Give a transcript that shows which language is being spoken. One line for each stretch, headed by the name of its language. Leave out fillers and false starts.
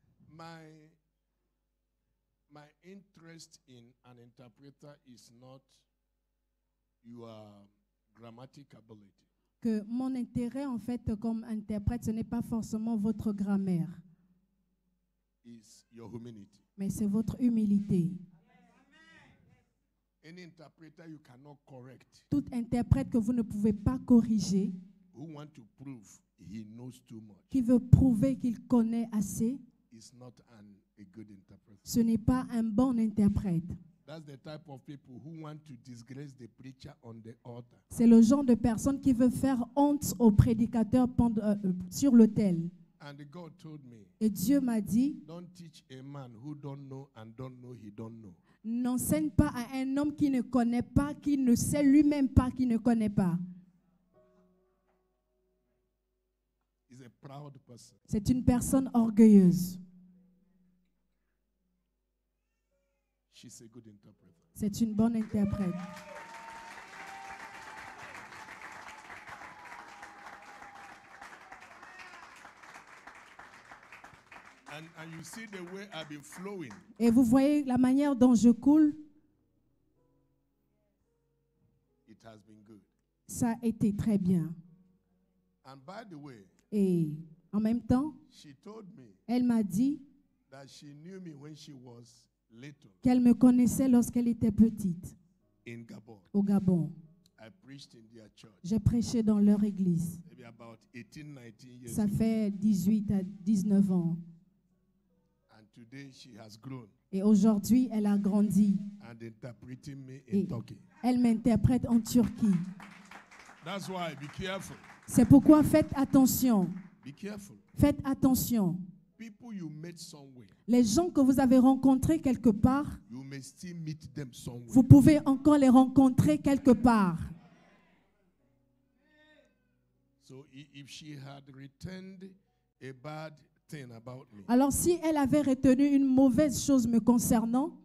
English: My interest in an interpreter is not your grammatic ability.
French: Que mon intérêt en fait comme interprète, ce n'est pas forcément votre grammaire.
English: Is your humility.
French: Mais c'est votre humilité.
English: Any interpreter you cannot correct.
French: Tout interprète que vous ne pouvez pas corriger.
English: Who want to prove he knows too much.
French: Qui veut prouver qu'il connaît assez.
English: Is not a good interpreter.
French: Ce n'est pas un bon interprète.
English: That's the type of people who want to disgrace the preacher on the altar.
French: C'est le genre de personne qui veut faire honte au prédicateur sur l'autel.
English: And God told me.
French: Et Dieu m'a dit.
English: Don't teach a man who don't know and don't know he don't know.
French: N'enseigne pas à un homme qui ne connaît pas, qui ne sait lui-même pas, qui ne connaît pas.
English: He's a proud person.
French: C'est une personne orgueilleuse.
English: She's a good interpreter.
French: C'est une bonne interprète.
English: And you see the way I've been flowing.
French: Et vous voyez la manière dont je coule.
English: It has been good.
French: Ça a été très bien.
English: And by the way,
French: et en même temps,
English: she told me
French: elle m'a dit
English: that she knew me when she was little.
French: Qu'elle me connaissait lorsqu'elle était petite.
English: In Gabon.
French: Au Gabon.
English: I preached in their church.
French: J'ai prêché dans leur église.
English: Maybe about 18, 19 years
French: ça fait 18 à 19 ans.
English: Today she has grown.
French: Et aujourd'hui, elle a grandi.
English: And interpreting me in Turkey.
French: Elle m'interprète en Turquie.
English: That's why, be careful.
French: C'est pourquoi faites attention.
English: Be careful.
French: Faites attention.
English: People you met somewhere,
French: les gens que vous avez rencontrés quelque part,
English: you may still meet them somewhere.
French: Vous pouvez encore les rencontrer quelque part.
English: So if she had retained a bad thing about me.
French: Alors si elle avait retenu une mauvaise chose me concernant